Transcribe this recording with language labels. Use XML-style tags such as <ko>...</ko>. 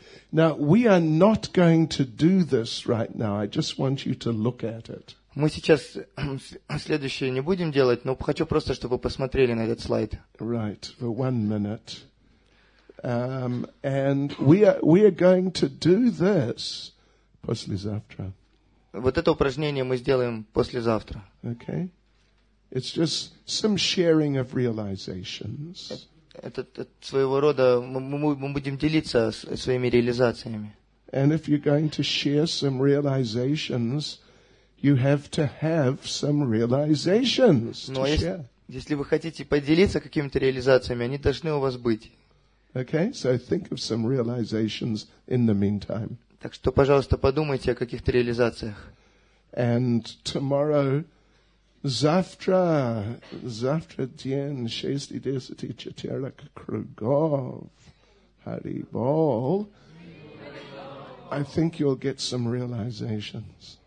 <en>Now, we are not going to do this right now. I just want you to look at it.</en> <ru>Мы сейчас следующее не будем делать, но хочу просто, чтобы вы посмотрели на этот слайд.</ru> <en>Right, for 1 minute. And we are going to do this послезавтра.</en> <ru>Вот это упражнение мы сделаем послезавтра.</ru> <en>Okay. It's just some sharing of realizations.</en> <ru>Это своего рода мы будем делиться своими реализациями.</ru> <en>And if you're going to share some realizations, you have to have some realizations to share.</en> <ru>Если вы хотите поделиться какими-то реализациями, они должны у вас быть.</ru> <en>Okay, so think of some realizations in the meantime.</en> <ru>Так что, пожалуйста, подумайте о каких-то реализациях.</ru> <en>And tomorrow.</en> <ru>Завтра день 6:10 четверг кругов.</ru> <en>Харибол. I think you'll get some realizations.</en>